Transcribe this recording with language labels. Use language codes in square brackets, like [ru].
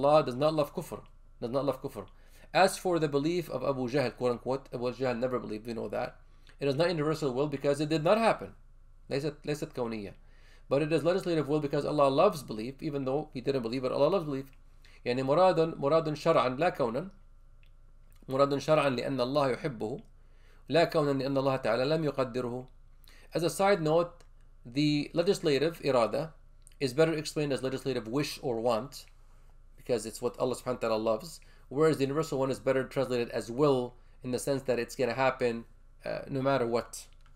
[en] Allah does not love kufr, does not love kufr. As for the belief of Abu Jahl, quote unquote, Abu Jahl never believed. We know that it is not universal will because it did not happen. [ar] ليست كونية. [en] But it is legislative will because Allah loves belief, even though he didn't believe, but Allah loves belief. [ar] يعني مرادٌ شرعًا لا كونًا مرادٌ شرعًا لأن الله يحبه لا كونًا لأن الله تعالى لم يقدره. [en] As a side note, the legislative irada is better explained as legislative wish or want, because it's what Allah subhanahu wa ta'ala loves, whereas the universal one is better translated as will, in the sense that it's going to happen no matter what.